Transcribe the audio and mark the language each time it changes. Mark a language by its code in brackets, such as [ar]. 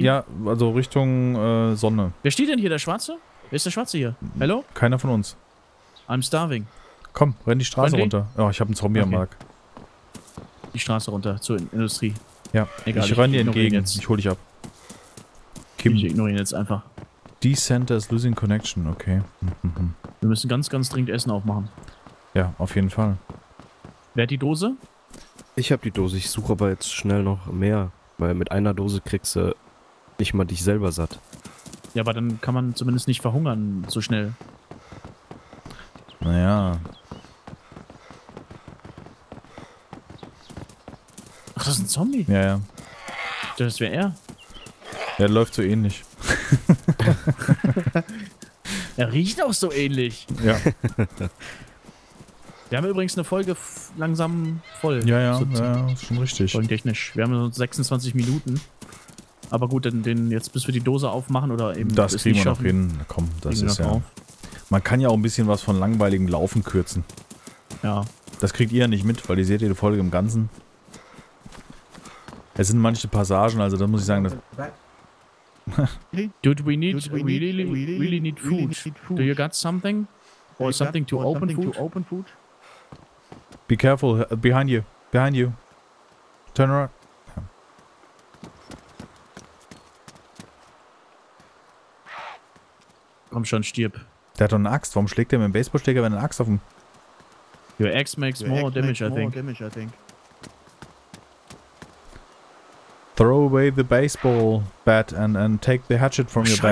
[de] Ja, also Richtung Sonne. Wer steht denn hier, der Schwarze? Wer ist der Schwarze hier? Hallo? Keiner von uns. [en] I'm starving. [de] Komm, renn die Straße runter. Oh, ich habe einen Zombie am Mark. Die Straße runter, zur Industrie. Ja, egal. Ich renn dir entgegen, jetzt. Ich hol dich ab. Kim. Ich ignoriere ihn jetzt einfach. [en] Decenter is losing connection, okay. [de] Wir müssen ganz, ganz dringend Essen aufmachen. Ja, auf jeden Fall. Wer hat die Dose? Ich habe die Dose, ich suche aber jetzt schnell noch mehr, weil mit einer Dose kriegst du nicht mal dich selber satt. Ja, aber dann kann man zumindest nicht verhungern so schnell. Naja. Ach, das ist ein Zombie? Ja. Das wäre er. Er läuft so ähnlich. Er riecht auch so ähnlich. Ja. Wir haben übrigens eine Folge langsam voll. Ja, schon richtig. Folgentechnisch. Wir haben so 26 Minuten. Aber gut, den jetzt, bis wir die Dose aufmachen oder eben. Das kriegen wir noch hin. Komm, das ist ja. Auf. Man kann ja auch ein bisschen was von langweiligem Laufen kürzen. Ja. Das kriegt ihr ja nicht mit, weil ihr seht ja die Folge im Ganzen. Es sind manche Passagen, also da muss ich sagen, dass. [en] Dude, we really need food. Do you got something? Or something to open food? Be careful, behind you. Turn around. [de] Komm schon, stirb. Der hat doch eine Axt, warum schlägt der mit dem Baseballschläger, wenn eine Axt auf dem... [en] Your axe makes more damage, I think. Throw away the baseball bat and take the hatchet from your back.